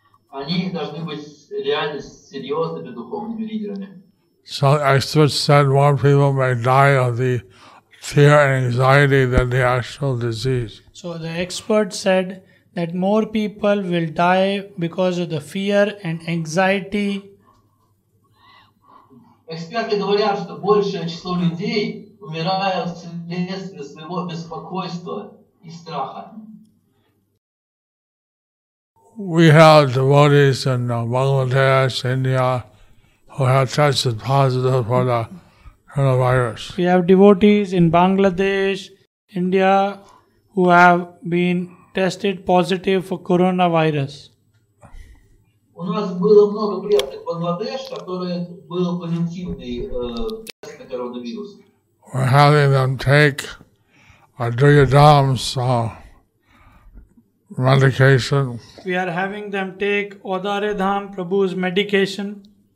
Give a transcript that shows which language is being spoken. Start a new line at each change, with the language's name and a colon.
Russian: Они должны быть реально серьезными духовными лидерами.
English: So experts said more people may die of the fear and anxiety than the actual disease. So the experts said that more people will die because of the fear and anxiety.
Russian: Эксперты говорят, что большее число людей умирают вследствие своего беспокойства и страха.
English: We have devotees in Bangladesh, India, who have tested positive for the coronavirus. We have devotees in Bangladesh, India, who have been tested positive for coronavirus.
Russian: У нас было много приятных в Бангладеш, которые был позитивный тест на коронавирус.
English: We're having them take a Duryodhana's medication. We are having them take Odaredham Prabhu's medication.